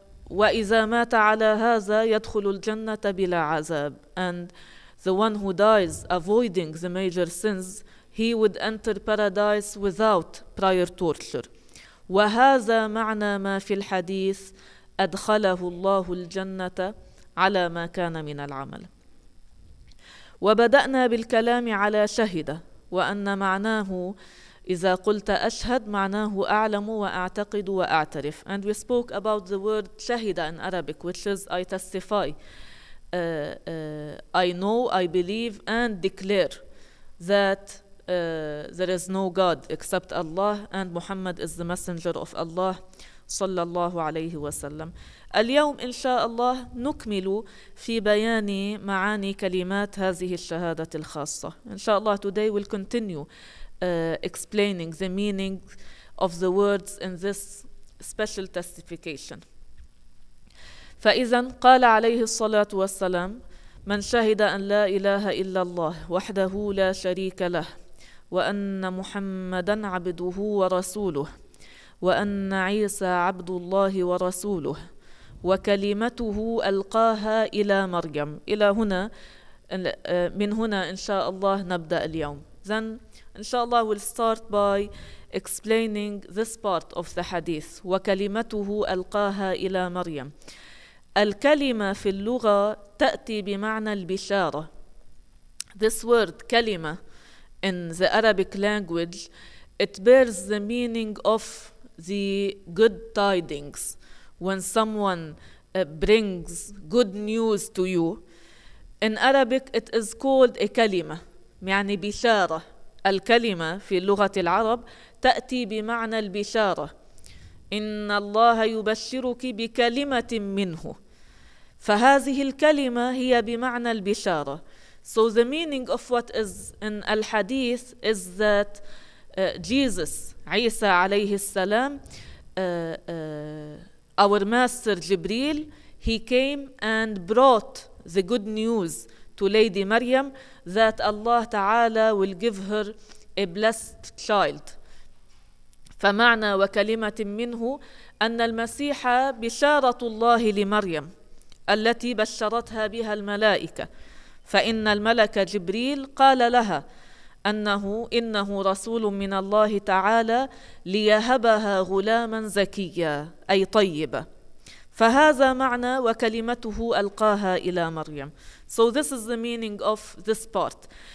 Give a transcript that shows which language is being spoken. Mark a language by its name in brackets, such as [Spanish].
[Arabic] وإذا مات على هذا يدخل الجنة بلا عذاب. [English] And the one who dies avoiding the major sins, he would enter paradise without prior torture. [Arabic] وهذا معنى ما في الحديث أدخله الله الجنة على ما كان من العمل. وبدأنا بالكلام على شهد, وأن معناه إذا قلت أشهد معناه أعلم وأعتقد وأعترف. [English] And we spoke about the word شهد in Arabic, which is I testify, I know, I believe and declare that there is no God except Allah and Muhammad is the messenger of Allah [Arabic] صلى الله عليه وسلم. اليوم إن شاء الله نكمل في بيان معاني كلمات هذه الشهادة الخاصة. إن شاء الله [English] today we'll continue explaining the meaning of the words in this special testification. [Arabic] فإذا قال عليه الصلاة والسلام من شهد أن لا إله إلا الله وحده لا شريك له وأن محمدا عبده ورسوله وأن عيسى عبد الله ورسوله وكلمته ألقاها إلى مريم. إلى هنا من هنا إن شاء الله نبدأ اليوم. [English] Then [Arabic] إن شاء الله [English] we'll start by explaining this part of the hadith. [Arabic] وكلمته ألقاها إلى مريم. الكلمة في اللغة تأتي بمعنى البشارة. [English] This word كلمة in the Arabic language, it bears the meaning of the good tidings. When someone brings good news to you, in Arabic it is called a كلمة, [Arabic] يعني بشارة. الكلمة في اللغة العرب تأتي بمعنى البشارة. إن الله يبشرك بكلمة منه. فهذه الكلمة هي بمعنى البشارة. [English] So the meaning of what is in al-hadith is that Jesus, عيسى [Arabic] عليه السلام, [English] our master Jibril, he came and brought the good news to Lady Maryam that Allah Ta'ala will give her a blessed child. [Arabic] فمعنى وكلمة منه أن المسيح بشارة الله لمريم التي بشرتها بها الملائكة. فإن الملك جبريل قال لها أنه إنه رسول من الله تعالى ليهبها غلاما زكيا أي طيبة. فهذا معنى وكلمته ألقاها إلى مريم. [English] So this is the meaning of this part.